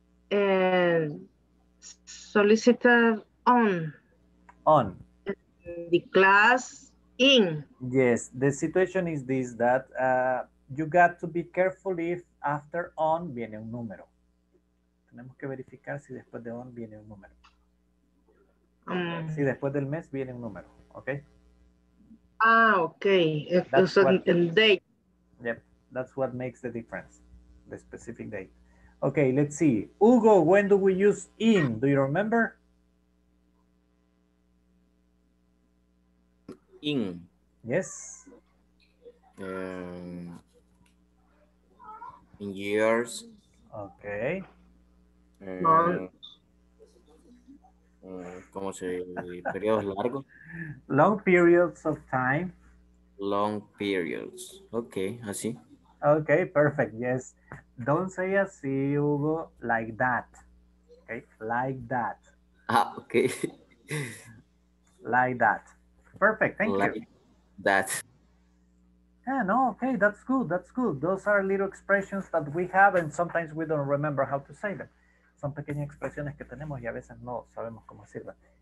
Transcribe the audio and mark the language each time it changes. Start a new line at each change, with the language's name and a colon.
English: solicited on. On. The class in. Yes, the situation is this, that you got to be careful if after on
Spanish: viene un número. Tenemos que verificar si después de on viene un número. Si después del mes viene un número, ¿ok?
English: Ah, ok. That's what, date. Yep, that's what makes the difference, the specific date. Okay, let's see. Hugo, when do we use in? Do you remember? In. Yes. In years. Okay.
Spanish: ¿Cómo se dice? Periodos largos.
English: Long periods of time. Long periods. Okay, así. Okay, perfect. Yes. Don't say así, Hugo, like that. Okay, like that. Ah, okay. Like that. Perfect, thank like you. That. Yeah, no, okay, that's good, that's good. Those are little expressions that we have and sometimes we don't remember how to say them.
Spanish: Son pequeñas expresiones que tenemos y a veces no sabemos cómo decirlas.